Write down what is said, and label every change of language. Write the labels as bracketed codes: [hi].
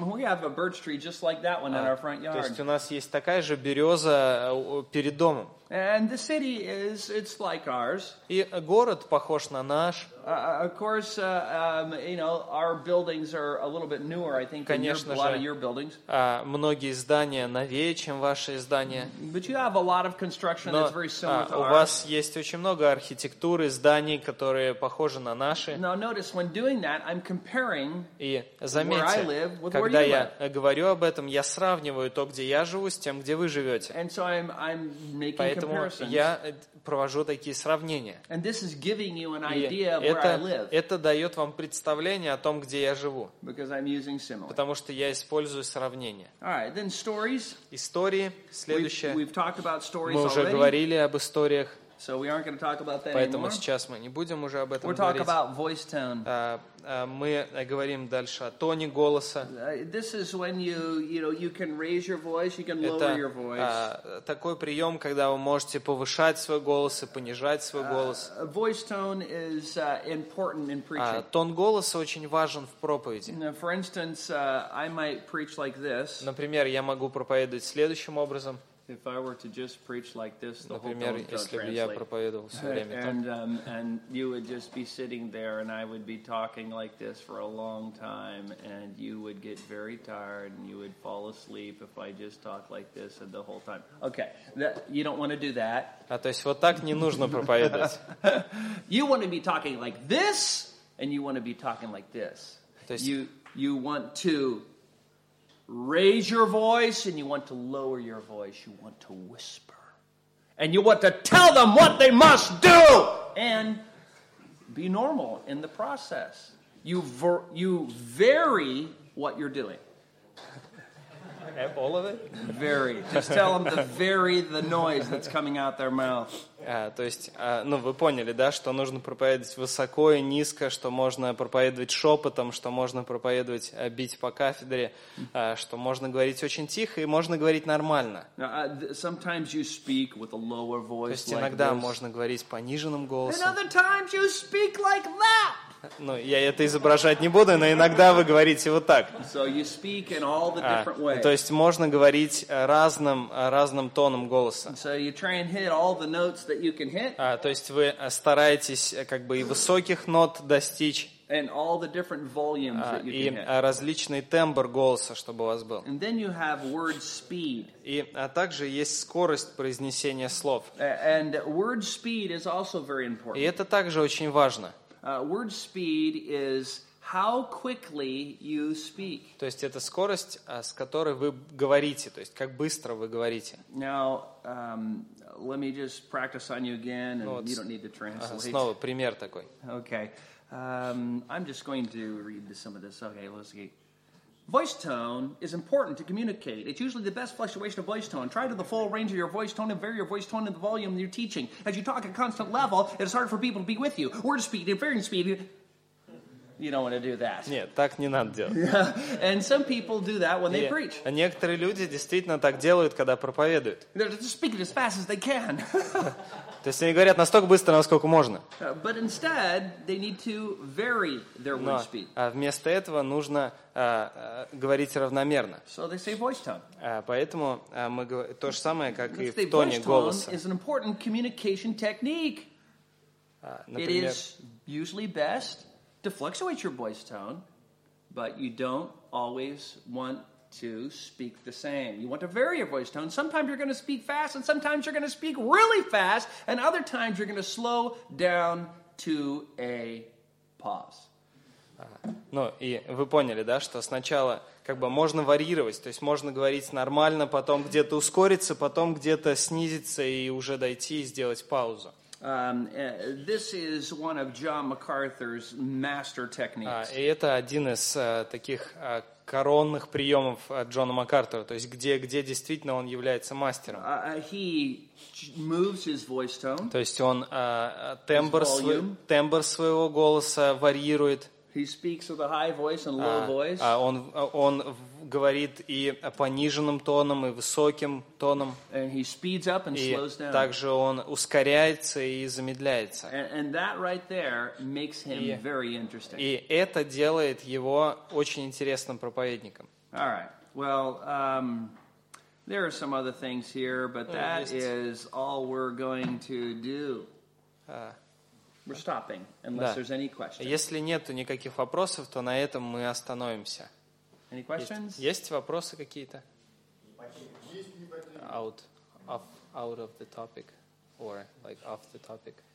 [en] We have a birch tree just like that one in our front yard. [ru] То есть у нас есть такая же береза перед домом. [en] And the city is, it's like ours. [ru] И город похож на наш. [en] Of course, you know, our buildings are a little bit newer, I think, [ru] конечно [en] than your, a lot of your buildings. [ru] Многие здания новее, чем ваши здания. [en] But you have a lot of construction [ru] Но, [en] that's very similar to ours. [ru] У вас есть очень много архитектуры, зданий, которые похожи на наши. [en] Now notice, when doing that, I'm comparing [ru] И заметьте, [en] where I live with [ru] когда [en] where you [ru] я [en] live. [ru] Говорю об этом, я сравниваю то, где я живу, с тем, где вы живете. [en] And so I'm making [ru] Поэтому я провожу такие сравнения. [en] And this is giving you an idea of where I live. [ru] Это дает вам представление о том, где я живу. [en] Because I'm using similes. [ru] Потому что я использую сравнения. [en] All right, then stories. [ru] Истории. Следующее. [en] We've talked about stories [ru] мы уже [en] already. [ru] Говорили об историях. [en] So we aren't going to talk about that [ru] Поэтому [en] anymore. [ru] Сейчас мы не будем уже об этом [en] We're [ru] говорить. [en] We're talking about voice tone. [ru] Мы говорим дальше о тоне голоса. [en] This is when you know, you can raise your voice, you can lower your voice. [ru] Это такой прием, когда вы можете повышать свой голос и понижать свой голос. [en] Voice tone is important in preaching. [ru] Тон голоса очень важен в проповеди. [en] Now, for instance, I might preach like this. [ru] Например, я могу проповедовать следующим образом. [en] If I were to just preach like this, the [ru] Например, [en] whole thing would translate. [ru] Проповедовал все время, [en] and you would just be sitting there, and I would be talking like this for a long time, and you would get very tired, and you would fall asleep if I just talk like this and the whole time. Okay, you don't want to do that. [ru] То есть вот так не нужно проповедовать. [en] You want to be talking like this, and you want to be talking like this. [ru] То есть [en] you want to. Raise your voice, and you want to lower your voice. You want to whisper, and you want to tell them what they must do, and be normal in the process. You vary what you're doing. All of it? Vary. Just tell them to vary the noise that's coming out their mouth. [ru] То есть, ну, вы поняли, да, что нужно проповедовать высоко и низко, что можно проповедовать шепотом, что можно проповедовать, бить по кафедре, что можно говорить очень тихо и можно говорить нормально. [en] Sometimes you speak with a lower voice. [ru] То есть, иногда [en] like this. [ru] Можно говорить пониженным голосом. [en] And other times you speak like that. [ru] Ну, я это изображать не буду, но иногда вы говорите вот так. [en] So you speak in all the different ways. [ru] То есть можно говорить разным тоном голоса. [en] So you try and hit all the notes that you can hit. [ru] То есть вы стараетесь как бы и высоких нот достичь. [en] And all the different volumes that you can [ru] И различный тембр голоса, чтобы у вас был. [en] And then you have word speed. [ru] И также есть скорость произнесения слов. [en] And word speed is also very important. [ru] И это также очень важно. [en] Word speed is how quickly you speak. [ru] То есть это скорость, с которой вы говорите, то есть как быстро вы говорите. [en] Now, let me just practice on you again, and you don't need to translate. [ru] Снова пример такой. [en] Okay, I'm just going to read some of this. Okay, let's see. Voice tone is important to communicate. It's usually the best fluctuation of voice tone. Try to the full range of your voice tone and vary your voice tone in the volume you're teaching. As you talk at constant level, it's hard for people to be with you. Word speed, varying speed. You don't want to do that. [ru] Нет, так не надо делать. [en] And some people do that when they preach. [ru] А некоторые люди действительно так делают, когда проповедуют. [en] They're just speaking as fast as they can. [ru] То есть они говорят настолько быстро, насколько можно. [en] But instead, they need to vary their word speed. [ru] А вместо этого нужно говорить равномерно. [en] So they say voice tone. [ru] Поэтому мы говорим то же самое, как и в тоне голоса. [en] Voice tone is an important communication technique. [ru] Например, [en] it is usually best to fluctuate your voice tone, but you don't always want to speak the same. You want to vary your voice tone. Sometimes you're going to speak fast, and sometimes you're going to speak really fast, and other times you're going to slow down to a pause. [ru] Ну, и вы поняли, да, что сначала как бы можно варьировать, то есть можно говорить нормально, потом где-то ускориться, потом где-то снизиться и уже дойти и сделать паузу. [en] This is one of John MacArthur's master techniques. [ru] И это один из таких коронных приемов Джона МакАртура, то есть где действительно он является мастером. [en] He moves his voice tone. [ru] То есть он тембр своего голоса варьирует. [en] He speaks with a high voice and low voice. [ru] Он говорит и пониженным тоном, и высоким тоном. [en] And he speeds up and slows down. [ru] И также он ускоряется и замедляется. [en] And that right there makes him very interesting. [ru] И это делает его очень интересным проповедником. [en] All right. Well, there are some other things here, but that is all we're going to do. We're stopping, unless there's any questions. [ru] Если нету никаких вопросов, то на этом мы остановимся. [en] Any questions? [ru] Есть вопросы какие-то? [en] Out of the topic, or like off the topic.